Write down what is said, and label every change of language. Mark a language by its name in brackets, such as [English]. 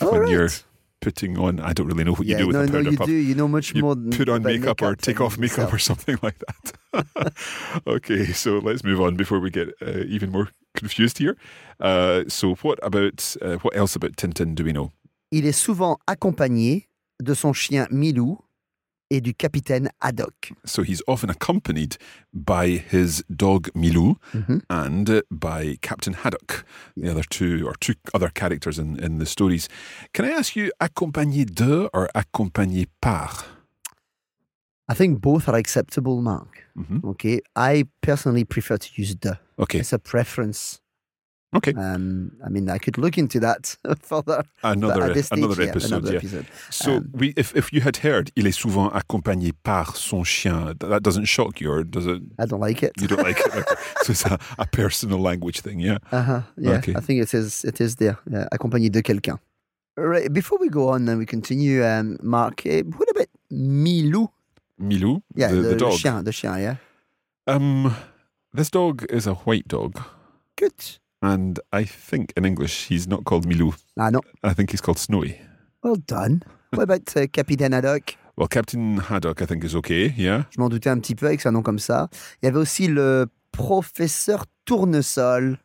[English] you're... putting on, I don't really know what you do with the powder puff. No, you do. You know much more than... You put on makeup or take off makeup or something like that. Okay, so let's move on before we get even more confused here. So what else about Tintin do we know? [French] Il est souvent accompagné de son chien Milou et du capitaine Haddock. [English] So he's often accompanied by his dog Milou and by Captain Haddock, the other two other characters in the stories. Can I ask you, accompagné de or accompagné par? I think both are acceptable, Mark. Mm-hmm. Okay, I personally prefer to use de. Okay. It's a preference. Okay. I mean, I could look into that further. Another episode. So, if you had heard, [French] il est souvent accompagné par son chien, [English] that doesn't shock you, or does it? I don't like it. You don't like it? So it's a personal language thing, yeah? Uh-huh, yeah. Okay. I think it is there, [French] accompagné de quelqu'un. [English] Right, before we go on and we continue, Mark, what about Milou? Milou? Yeah, the dog. The chien, yeah? This dog is a white dog. Good. And I think in English he's not called Milou. Ah, no. I think he's called Snowy. Well done. What about Captain Haddock? Well, Captain Haddock, I think, is okay, yeah. [French] Je m'en doutais un petit peu avec son nom comme ça. Il y avait aussi le Professeur Tournesol.